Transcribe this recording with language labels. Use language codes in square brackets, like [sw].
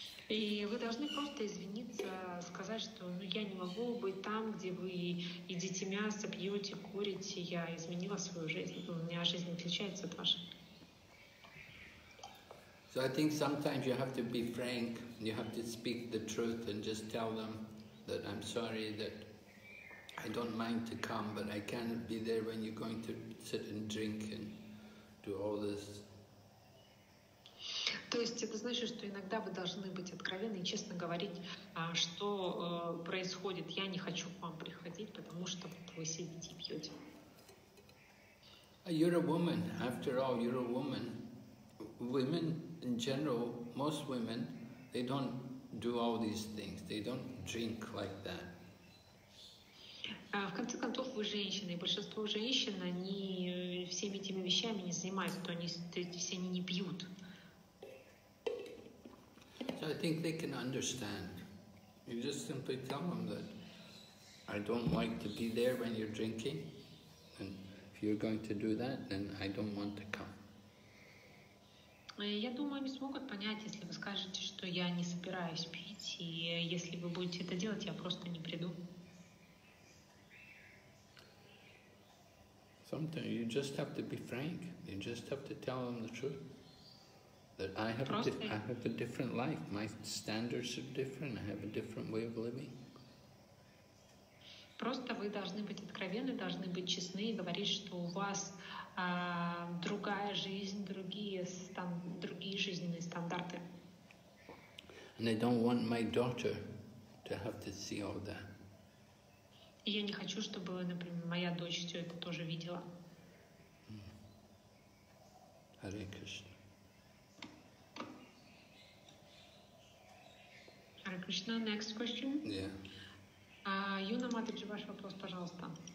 [ru] И вы должны просто извиниться, сказать, что я не могу быть там, где вы едите мясо, пьете, курите. Я изменила свою жизнь. У меня жизнь отличается от вашей. [en] So I think sometimes you have to be frank. You have to speak the truth and just tell them that I'm sorry that I don't mind to come, but I can't be there when you're going to sit and drink and do all this. [ru] То есть это значит, что иногда вы должны быть откровенны и честно говорить, что происходит. Я не хочу к вам приходить, потому что вы сидите и пьете. [en] You're a woman. After all, you're a woman. Women in general, most women, they don't do all these things. They don't drink like that. [ru] В конце концов, вы женщина, и большинство женщин, они всеми этими вещами не занимаются, то они все не пьют. [en] So I think they can understand. You just simply tell them that I don't like to be there when you're drinking, and if you're going to do that, then I don't want to come. [ru] Я думаю, они смогут понять, если вы скажете, что я не собираюсь пить, и если вы будете это делать, я просто не приду. [en] Sometimes you just have to be frank. You just have to tell them the truth. That I have a different life. My standards are different. I have a different way of living. [ru] Просто вы должны быть откровенны, должны быть честны и говорить, что у вас другая жизнь, другие жизненные стандарты. [en] And I don't want my daughter to have to see all that. [ru] И я не хочу, чтобы, например, моя дочь все это тоже видела. Харе Кришна. [en] Харе Кришна, next question. Yeah. [ru] Юна Матаджи, ваш вопрос, пожалуйста.